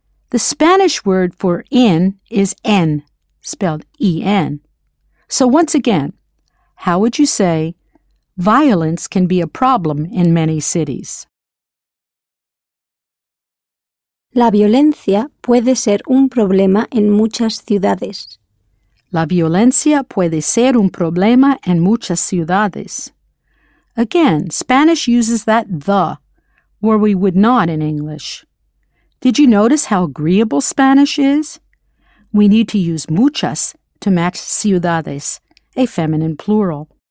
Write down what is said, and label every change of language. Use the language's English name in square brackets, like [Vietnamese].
[English] The Spanish word for in is en, spelled E-N. So once again, how would you say, violence can be a problem in many cities? [Spanish] La violencia puede ser un problema en muchas ciudades. La violencia puede ser un problema en muchas ciudades. [English] Again, Spanish uses that the, where we would not in English. Did you notice how agreeable Spanish is? We need to use muchas to match ciudades, a feminine plural.